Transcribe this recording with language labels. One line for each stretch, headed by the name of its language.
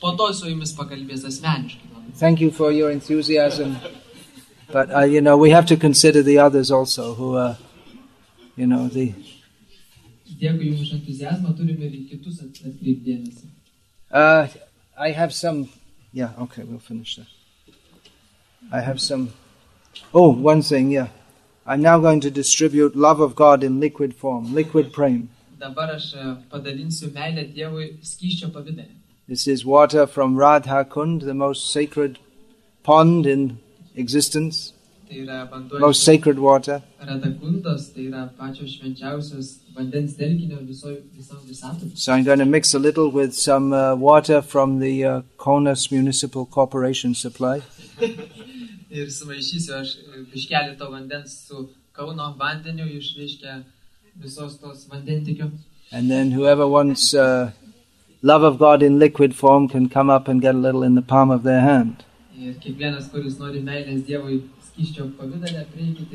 Lithuanian: Po to su jumis pakalbės asmeniškai.
English: Thank you for your enthusiasm. But, you know, we have to consider the others also who are, you know, the...
Lithuanian: Dėkui jums entuziasmą, turime ir kitus atkreipti dėmesį.
English: I have some... Yeah, okay, we'll finish that. I have some... Oh, one thing, yeah. I'm now going to distribute love of God in liquid form, liquid prema.
Lithuanian: Dabar aš padalinsiu meilę Dievui skysčio pavidale.
English: This is water from Radha Kund, the most sacred pond in existence.
Lithuanian: Tai yra vanduo.
English: Most sacred water.
Lithuanian: Radha Kundas, tai yra pačios švenčiausios vandens telkinio visam visatoje.
English: So I'm going to mix a little with some water from the Kaunas Municipal Corporation supply.
Lithuanian: Ir sumaišysiu aš biškelį to vandens su Kauno vandeniu iš reiškia visos tos vandentikio.
English: And then whoever wants love of God in liquid form can come up and get a little in the palm of their hand.
Lithuanian: Ir kiekvienas, kuris nori meilės Dievui skysčio pavidale, prieikite.